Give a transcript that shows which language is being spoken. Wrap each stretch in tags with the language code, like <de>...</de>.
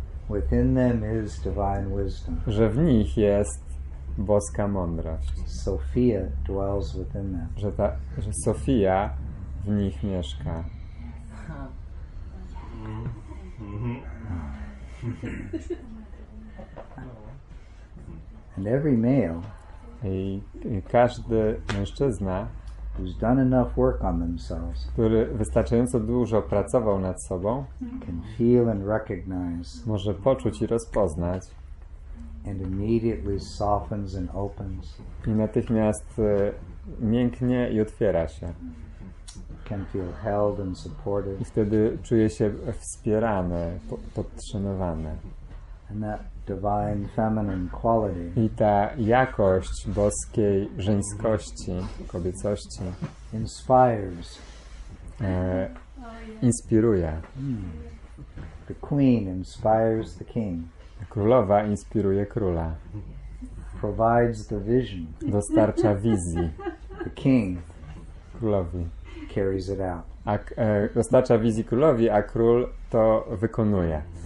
<en>Within them is divine wisdom.</en> <pl>Że w nich jest boska mądrość.</pl> <en>Sophia dwells within them.</en> <pl>Że Sofia w nich mieszka.</pl> <en>And every male.</en> <pl>I każdy mężczyzna.</pl> <en>Who's done enough work on themselves?</en> <pl>Który wystarczająco dużo pracował nad sobą.</pl> <en>Can feel and recognize.</en> <pl>Może poczuć i rozpoznać.</pl> <en>And immediately softens and opens.</en> <pl>I natychmiast mięknie i otwiera się.</pl> <en>Can feel held and supported.</en> <pl>I wtedy czuje się wspierany, podtrzymywany.</pl> <en>And that divine feminine quality.</en> <pl>I ta jakość boskiej żeńskości, kobiecości</pl> <en>inspires.</en> <pl>Inspiruje.</pl> <en>The queen inspires the king.</en> <pl>Królowa inspiruje króla.</pl> <en>Provides the vision.</en> <pl>Dostarcza wizji.</pl> <en>The king</en> <pl>królowi</pl> <en>carries it out.</en> <pl>Dostarcza wizji królowi, a król to wykonuje.</pl>